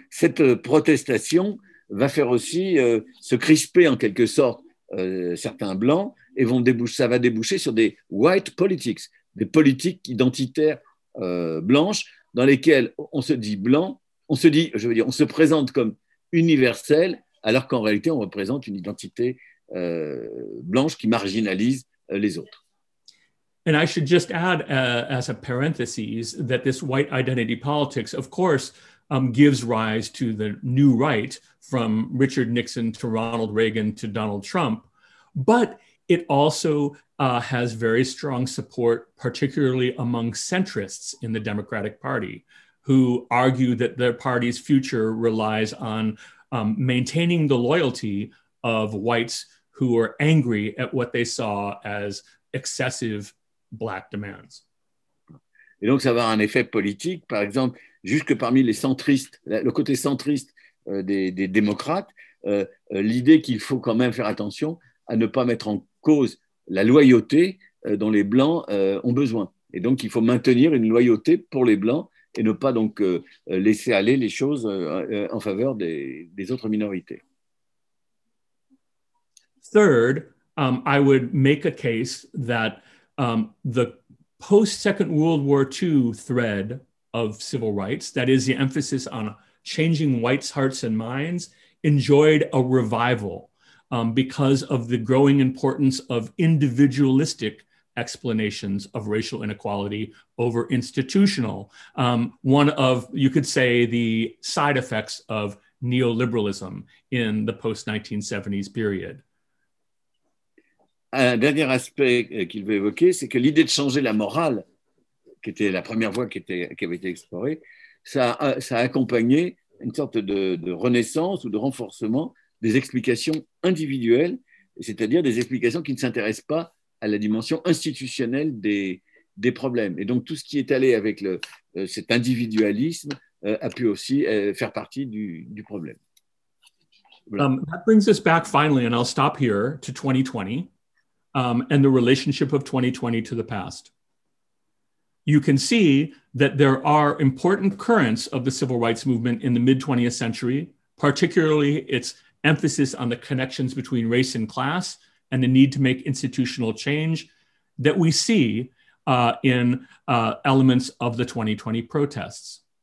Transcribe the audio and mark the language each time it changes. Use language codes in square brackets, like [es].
[fr] Cette protestation va faire aussi se crisper en quelque sorte certains blancs et ça va déboucher sur des white politics, des politiques identitaires blanches dans lesquelles on se dit blanc, on se présente comme universel alors qu'en réalité on représente une identité blanche qui marginalise les autres. [en] And I should just add as a parenthesis that this white identity politics, of course, gives rise to the new right from Richard Nixon to Ronald Reagan to Donald Trump. But it also has very strong support, particularly among centrists in the Democratic Party, who argue that their party's future relies on maintaining the loyalty of whites who are angry at what they saw as excessive Black demands. Et donc ça va avoir un effet politique, par exemple, jusque parmi les centristes, le côté centriste des démocrates, l'idée qu'il faut quand même faire attention à ne pas mettre en cause la loyauté dont les blancs ont besoin. Et donc il faut maintenir une loyauté pour les blancs et ne pas donc laisser aller les choses en faveur des autres minorités. Third, I would make a case that the post-Second World War II thread of civil rights, that is the emphasis on changing whites' hearts and minds, enjoyed a revival because of the growing importance of individualistic explanations of racial inequality over institutional. One of, you could say, the side effects of neoliberalism in the post-1970s period. [fr] Un dernier aspect qu'il veut évoquer, c'est que l'idée de changer la morale, qui était la première voie qui avait été explorée, ça a accompagné une sorte de renaissance ou de renforcement des explications individuelles, c'est-à-dire des explications qui ne s'intéressent pas à la dimension institutionnelle des problèmes. Et donc tout ce qui est allé avec cet individualisme a pu aussi faire partie du problème. Voilà. [en] That brings us back finally, and I'll stop here, to 2020. And the relationship of 2020 to the past. You can see that there are important currents of the civil rights movement in the mid-20th century, particularly its emphasis on the connections between race and class and the need to make institutional change that we see in elements of the 2020 protests.